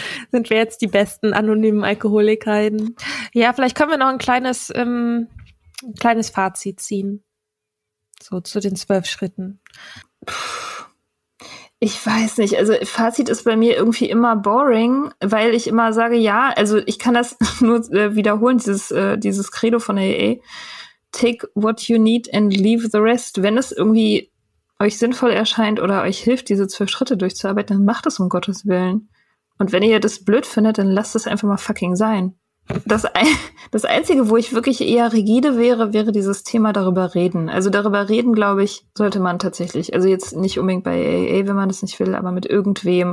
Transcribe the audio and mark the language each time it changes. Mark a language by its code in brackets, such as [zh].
[de] Sind wir jetzt die besten anonymen Alkoholikerinnen? Ja, vielleicht können wir noch ein kleines Fazit ziehen. So zu den 12 Schritten. Ich weiß nicht. Also Fazit ist bei mir irgendwie immer boring, weil ich immer sage, ja, also ich kann das nur wiederholen, dieses Credo von AA. [en] Take what you need and leave the rest. [de] Wenn es irgendwie euch sinnvoll erscheint oder euch hilft, diese 12 Schritte durchzuarbeiten, dann macht es um Gottes Willen. Und wenn ihr das blöd findet, dann lasst es einfach mal fucking sein. Das Einzige, wo ich wirklich eher rigide wäre, wäre dieses Thema darüber reden. Also darüber reden, glaube ich, sollte man tatsächlich, also jetzt nicht unbedingt bei AA, wenn man das nicht will, aber mit irgendwem.